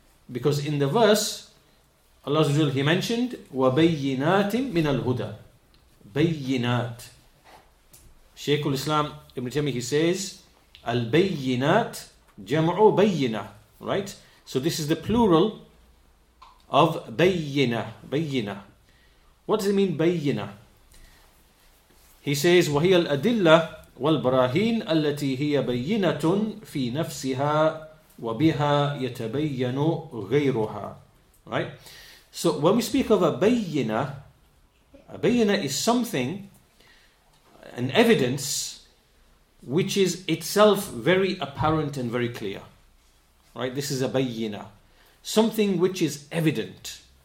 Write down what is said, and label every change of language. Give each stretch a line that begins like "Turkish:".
English: Because in the verse, Allah Azza wa Jalla, He mentioned
Arabic: wa bayyinatim min al-huda,
English: bayyinat. Shaykhul Islam Ibn Taymiyyah, he says
Arabic: al-bayyinat jam'u bayyina,
English: right? So this is the plural of bayyina, bayyina. What does it mean, bayyina? He says,
Arabic: وَهِيَ الْأَدِلَّةِ وَالْبَرَاهِينَ الَّتِي هِيَ بَيِّنَةٌ فِي نَفْسِهَا وَبِهَا يَتَبَيَّنُ غَيْرُهَا.
English: Right? So when we speak of a bayyina is something, an evidence, which is itself very apparent and very clear. Right, this is a bayyina, something which is evident.